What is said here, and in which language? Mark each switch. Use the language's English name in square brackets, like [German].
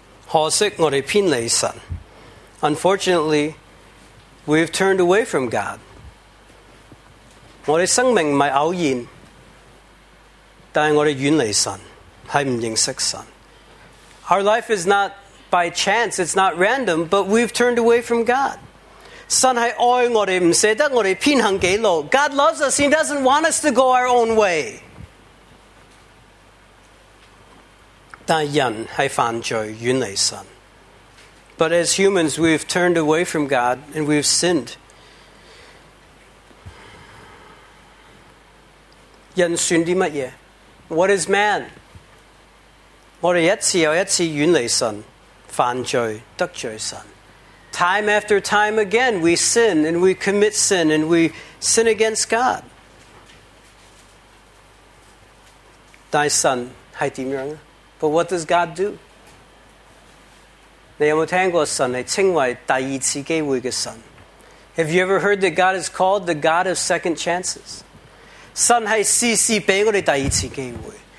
[Chinese] 可惜, 我们偏离神, [English] unfortunately, we have turned away from God. [Chinese] 我们生命不是偶然, 但是我们远离神, 是不认识神。 [English] Our life is not by chance, it's not random, but we've turned away from God. [Chinese] 神是爱我们,不舍得我们偏行几路, [English] God loves us, he doesn't want us to go our own way. [Chinese] 但人是犯罪,远离神。 [English] But as humans, we've turned away from God and we've sinned. [Chinese] 人算什么? [English] What is man? [Chinese] 我们一次又一次远离神,犯罪,得罪神。 [English] Time after time again, we sin and we commit sin and we sin against God. [Chinese] 但神是怎样? [English] But what does God do? [Chinese] 你有没有听过神是称为第二次机会的神? [English] Have you ever heard that God is called the God of second chances? [Chinese] 神是试试给我们第二次机会。